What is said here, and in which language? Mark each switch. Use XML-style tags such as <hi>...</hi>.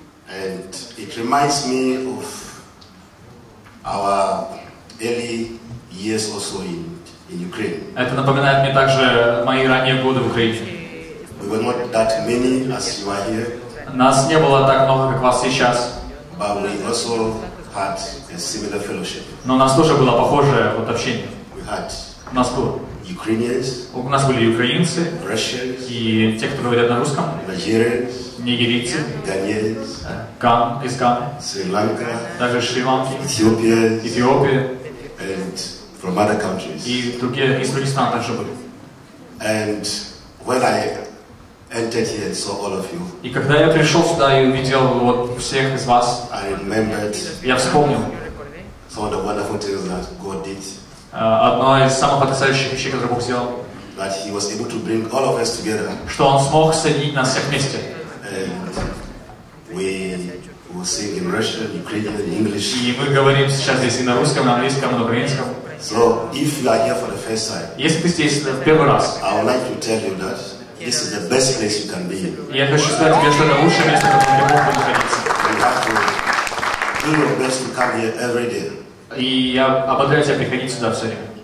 <en>And it reminds me of our early years also in Ukraine.</en> <ru>Это напоминает мне также мои ранние годы в Украине.</ru> <en>We're not that many as you are here.</en> <ru>Нас не было так много, как вас сейчас.</ru> <en>But we also had a similar fellowship.</en> <ru>Но у нас тоже было похожее вот общение.</ru> <en>We had Ukrainians.</en> <ru>У нас были украинцы.</ru> <en>Russians.</en> <ru>И те, кто говорят на русском.</ru> <en>Nigerians.</en> <ru>Нигерийцы.</ru> <en>Ghanaians.</en> <ru>Из Ганы.</ru> <en>Sri Lanka.</en> <ru>Даже Шри-Ланки.</ru> <en>Ethiopians.</en> <ru>Эфиопия.</ru> <en>And from other countries.</en> <ru>И другие из Туркестана также были.</ru> <en>And when I entered here and saw all of you.</en> <ru>И когда я пришел сюда и увидел вот всех из вас,</ru> <en>I remembered.</en> <ru>Я вспомнил.</ru> <en>Some of the wonderful things that God did.</en> <ru>Одно из самых потрясающих вещей, которые Бог сделал.</ru> <en>That He was able to bring all of us together.</en> <ru>Что Он смог соединить нас всех вместе.</ru> <en>And We sing in Russian, Ukrainian, and English.</en> <ru>И мы говорим сейчас здесь и на русском, и на английском, и на украинском.</ru> <en>So if you are here for the first time,</en> <ru>если ты здесь в первый раз,</ru> <en>I would like to tell you that this is the best place you can be.</en> <ru>Я хочу сказать тебе, что это лучшее место, которое ты можешь находиться.</ru> <en>You have to do your best to come here every day.</en> <ru>И я ободряю тебя приходить сюда все время.</ru>